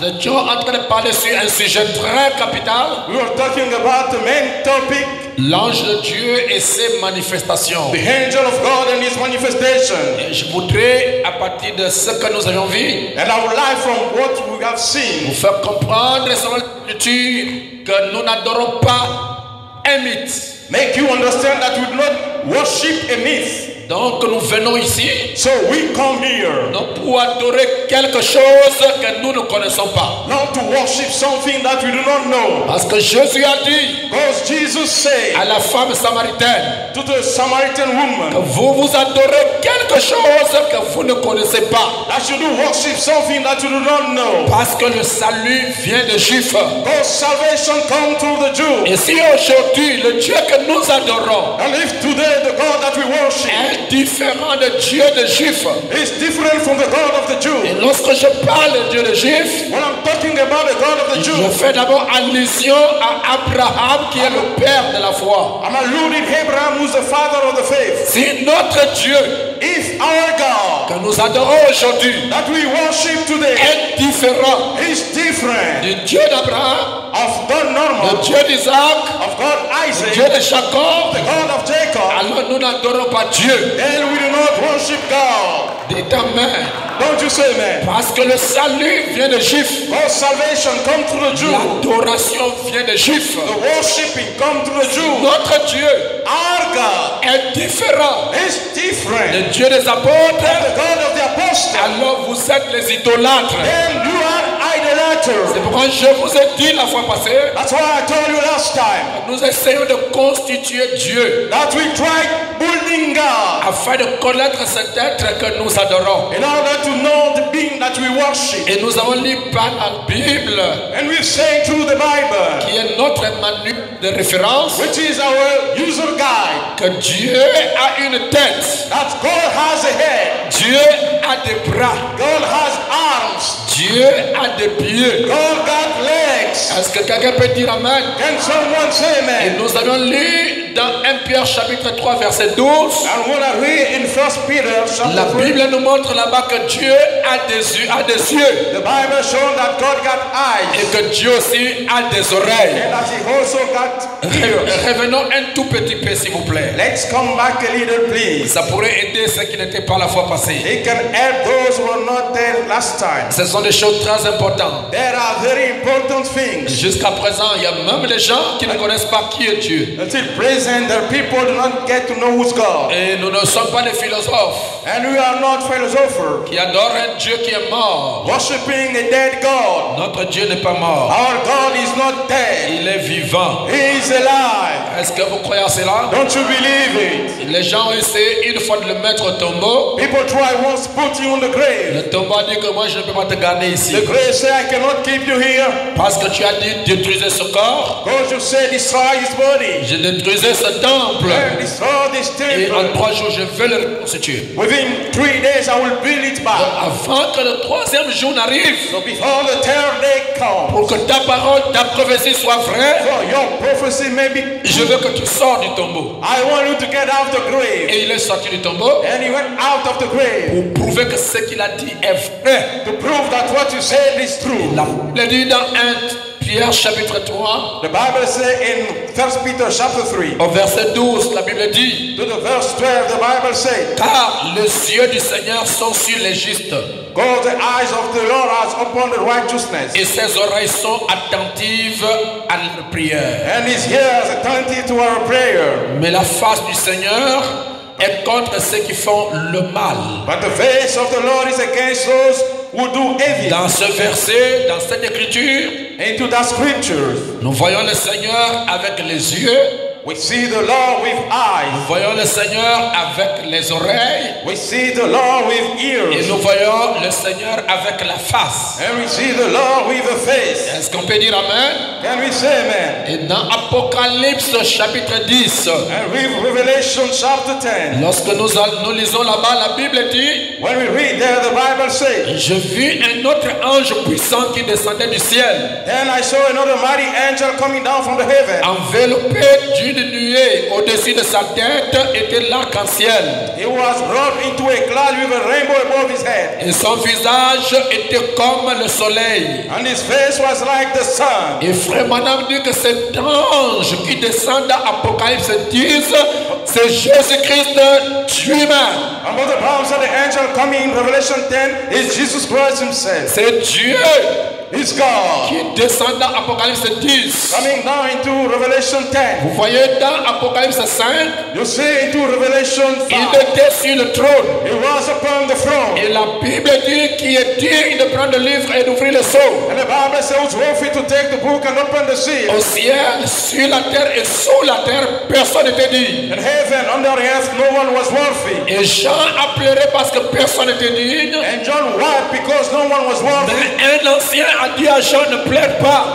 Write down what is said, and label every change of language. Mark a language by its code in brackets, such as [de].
[fr] Nous étions en train de parler sur un sujet très capital. [en] We were talking about the main topic. [fr] L'ange de Dieu et ses manifestations. [en] The angel of God and his manifestations. [fr] Et je voudrais, à partir de ce que nous avons vu, [en] and our life from what we have seen, [fr] vous faire comprendre selon l'Écriture que nous n'adorons pas un mythe. [en] Make you understand that we do not worship a myth. [fr] Donc nous venons ici. [en] So we come here. [fr] Non pour adorer quelque chose que nous ne connaissons pas. [en] Not to worship something that we do not know. [fr] Parce que Jésus a dit. [en] Because Jesus said. [fr] À la femme samaritaine. [en] To the Samaritan woman. [fr] Que vous adorez quelque chose que vous ne connaissez pas. [en] That you do worship something that you do not know. [fr] Parce que le salut vient des Juifs. [en] Because salvation comes through the Jews. [fr] Et si aujourd'hui le Dieu que nous adorons. [en] And if today the God that we worship. [fr] Différent de Dieu des Juifs. [en] It's different from the God of the Jews. [fr] Et lorsque je parle de Dieu des Juifs, [en] when I'm talking about the God of the Jews, [fr] je fais d'abord allusion à Abraham qui est le père de la foi. [en] I'm alluding to Abraham who's the father of the faith. [fr] Si notre Dieu, [en] if our God, [fr] que nous adorons aujourd'hui, [en] that we worship today, [fr] est différent, [en] is different, [fr] du Dieu d'Abraham, [en] of God normal, [fr] du Dieu d'Isaac, [en] of God Isaac, [fr] du Dieu de Jacob, [en] the God of Jacob, [fr] alors nous n'adorons pas Dieu. [en] Then we do not worship God. [fr] Amen. [en] Don't you say amen? [fr] Parce que le salut vient des Juifs. [en] Our salvation comes through the Jews. [fr] L'adoration vient des Juifs. [en] The worshiping comes through the Jews. [fr] Notre Dieu, [en] our God, [fr] est différent. [en] Is different. [fr] Le Dieu des apôtres, [en] the God of the apostles. [fr] Alors vous êtes les idolâtres. [en] Then you are idolaters. [fr] C'est pourquoi je vous ai dit la fois passée. [en] That's why I told you last time. [fr] Nous essayons de constituer Dieu. [en] That we try building. [fr] Afin de connaître cet être que nous adorons. [en] In order to know the being that we worship. [fr] Et nous avons lu par la Bible. [en] And we say through the Bible. [fr] Qui est notre manuel de référence. [en] Which is our user guide. [fr] Que Dieu a une tête. [en] That God has a head. [fr] Dieu a des bras. [en] God has arms. [fr] Dieu a des pieds. [en] God got legs. [fr] Est-ce que quelqu'un peut dire amen? [en] Can someone say amen? [fr] Et nous allons lire dans 1 Pierre chapitre 3 verset 12. [en] And we'll read in 1 Peter, [fr] la Bible nous montre là-bas que Dieu a des yeux. [en] The Bible shows that God got eyes. [fr] Et que Dieu aussi a des oreilles. [en] And that he also got ears. [fr] Revenons un tout petit peu s'il vous plaît. [en] Let's come back a little please. [fr] Ça pourrait aider ceux qui n'étaient pas la fois passée. [en] It can help those who were not there last time. [fr] Ce sont des choses très importantes. [en] There are very important things. [fr] Jusqu'à présent, il y a même des gens qui ne connaissent pas qui est Dieu. [en] Until present, the people do not get to know who's God. [fr] Et nous ne sommes pas des philosophes. [en] And we are not philosophers. [fr] Qui adorent un Dieu qui est mort. [en] Worshipping a dead God. [fr] Notre Dieu n'est pas mort. [en] Our God is not dead. [fr] Il est vivant. [en] He is alive. [fr] Est-ce que vous croyez à cela? [en] Don't you believe it? [fr] Les gens ont essayé une fois de le mettre au tombeau. [en] People try once to put you on the grave. [fr] Le tombeau dit que moi je ne peux pas te garder ici. [en] The grave say I cannot keep you here. [fr] Parce que tu as dit détruisez ce corps. [en] Because you say destroy his body. [fr] Je détruisais ce temple. [en] And destroy this temple. [fr] Et en 3 jours je vais le reconstituer. [en] Within 3 days I will build it back. [fr] Donc, avant que le troisième jour n'arrive. [en] So before the third day comes. [fr] Pour que ta parole, ta prophétie soit vraie. [en] So your prophecy may be. [fr] Je veux que tu sors du tombeau. [en] I want you to get out of the grave. [fr] Et il est sorti du tombeau. [en] And he went out of the grave. [fr] Pour prouver que ce qu'il a dit est vrai. [en] To prove that what you said is true. [fr] Il l'a dit dans 1 Pierre chapitre 3. [en] The Bible says in 1 Peter chapter 3. [fr] Au verset 12, la Bible dit. [en] To the verse 12, the Bible says. [fr] Car les yeux du Seigneur sont sur les justes. [en] God, the eyes of the Lord are upon the righteousness. [fr] Et ses oreilles sont attentives à notre prière. [en] And his ears attentive to our prayer. [fr] Mais la face du Seigneur est contre ceux qui font le mal. [en] But the face of the Lord is against those who do evil. [fr] Dans ce verset, dans cette écriture, [en] into that scripture, [fr] nous voyons le Seigneur avec les yeux. [en] We see the Lord with eyes. [fr] Nous voyons le Seigneur avec les oreilles. [en] We see the Lord with ears. [fr] Et nous voyons le Seigneur avec la face. [en] And we see the Lord with a face. [fr] Est-ce qu'on peut dire amen? [en] Can we say amen? [fr] Et dans Apocalypse chapitre 10. [en] And with Revelation chapter 10. [fr] Lorsque nous lisons là-bas, la Bible dit. [en] When we read there, the Bible says. [fr] Je vis un autre ange puissant qui descendait du ciel. [en] Then I saw another mighty angel coming down from the heaven. [fr] Enveloppé d'une nuée au-dessus de sa tête était l'arc-en-ciel. [en] He was robed into a cloud with a rainbow above his head. [fr] Et son visage était comme le soleil. [en] And his face was like the sun. [fr] Et frère Madame dit que cet ange qui descend dans Apocalypse 10, c'est Jésus-Christ lui-même. [en] And Brother Paul said the angel coming in Revelation 10 is Jesus Christ himself. [fr] C'est Dieu. [en] It's God. [fr] Qui descend dans Apocalypse 10. [en] Coming now into Revelation 10. [fr] Vous voyez dans Apocalypse 5. [en] You see into Revelation 5. [fr] Il était sur le trône. [en] He was upon the throne. [fr] Et la Bible dit qu'il est digne de prendre le livre et d'ouvrir le sceau. [en] And the Bible says it's worthy to take the book and open the seal. [fr] Au ciel, sur la terre et sous la terre, personne n'était dit. [en] In heaven, under earth, no one was worthy. [fr] Et Jean a pleuré parce que personne n'était digne. [en] And John wept because no one was worthy. [fr] Mais un ancien a dit à Jean, ne pleure pas.